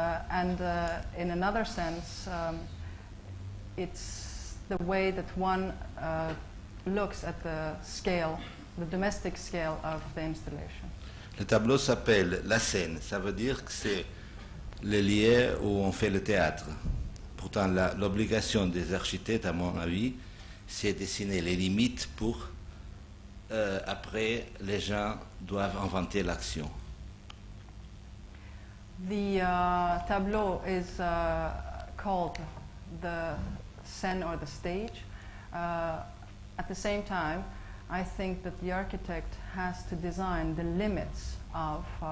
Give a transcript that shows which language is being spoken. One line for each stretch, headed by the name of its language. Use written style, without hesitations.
English: And in another sense, it's the way that one looks at the scale, the domestic scale of the installation.
French: Le tableau s'appelle la scène. Ça veut dire que c'est le lieu où on fait le théâtre. Pourtant, l'obligation des architectes, à mon avis, c'est dessiner les limites pour, après, les gens doivent inventer l'action.
English: The tableau is called the scene or the stage. At the same time, I think that the architect has to design the limits of